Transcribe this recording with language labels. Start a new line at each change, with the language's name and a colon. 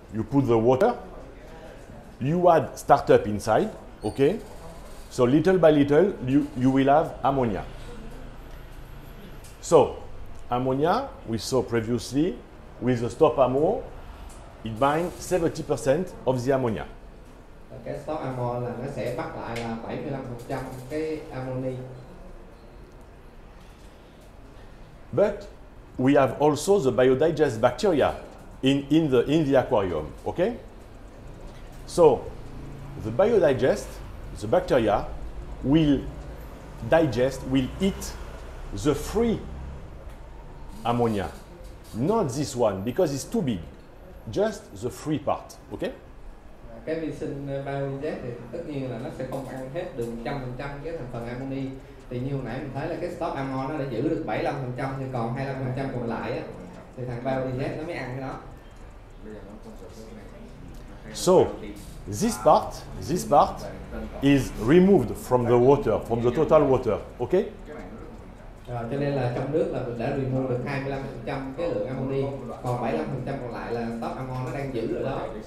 English: You put the water, you add startup inside, okay? So little by little, you will have ammonia. So ammonia, we saw previously, with the stop ammo, it binds 70% of the ammonia.
Vietnamese: Cái stop ammo là nó sẽ bắt lại là 75% cái ammonia.
English: But we have also the biodigest bacteria in the aquarium, okay? So the biodigest, the bacteria, will digest, will eat the free ammonia. Not this one, because it's too big. Just the free part, okay?
Vietnamese: Cái vi sinh biodigest thì tất nhiên là nó sẽ không ăn hết được 100% cái thành phần ammoni. Thì như hồi nãy mình thấy là cái stock ammo nó đã giữ được 75%, thì còn 25% còn lại á, thì thằng biodigest nó mới ăn cái đó.
English: So, this part is removed from the water, from the total water, okay?
Vietnamese: Cho nên là trong nước là mình đã remove được 25% cái lượng ammoni, còn 75% còn lại là stock ammo nó đang giữ ở đó.